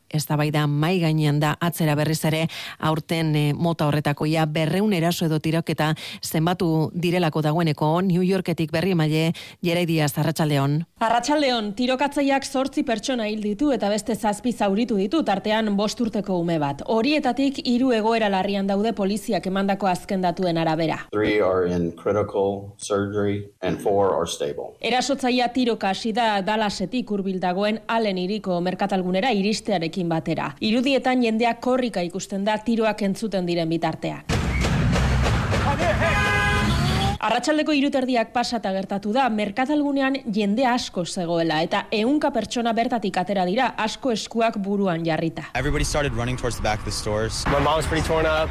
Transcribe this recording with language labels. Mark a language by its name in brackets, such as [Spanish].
[Basque] Eztabaida mai gainean da atzera berriz ere aurten mota horretako ia 200 eraso edo tiroketa zenbatu direlako dagoeneko New Yorketik berri emaile Jeraidia Arratsaldeon. Arratsaldeon, tirokatzaileak 8 pertsona hil ditu eta beste 7 zauritu ditu, tartean 5 urteko ume bat. Horietatik 3 egoera larrian daude poliziak emandako azken datuen arabera. [English] 3 are in critical surgery and 4 are stable. [Basque] Erasotzailea tiroka hasi da Dallasetik hurbil dagoen Allen hiriko merkatalgunera iristearekin batera. Irudietan jendea korrika ikusten da tiroak entzuten diren bitartean. Arratsaldeko 3:30 pasata gertatu da, merkatalgunean jende asko zegoela eta 100 pertsona bertatik atera dira, asko eskuak buruan jarrita. [English] Everybody started running towards the back of the stores. My mom was pretty torn up.